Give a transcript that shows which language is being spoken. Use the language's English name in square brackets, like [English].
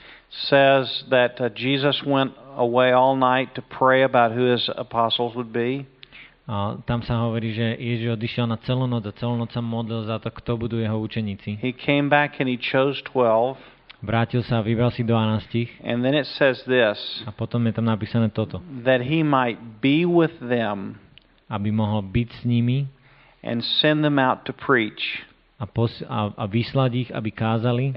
[English] says that Jesus went away all night to pray about who his apostles would be. [Slovak] A tam sa hovorí, že Ježiš odišiel na celú noc a celú noc sa modlil za to, kto budú jeho učeníci. [English] He came back and he chose 12. [Slovak] Vrátil sa a vybral si 12. [English] And then it says this. [Slovak] A potom je tam napísané toto. [English] That he might be with them. [Slovak] Aby mohol byť s nimi. [English] And send them out to preach. [Slovak] A vyslať ich, aby kázali.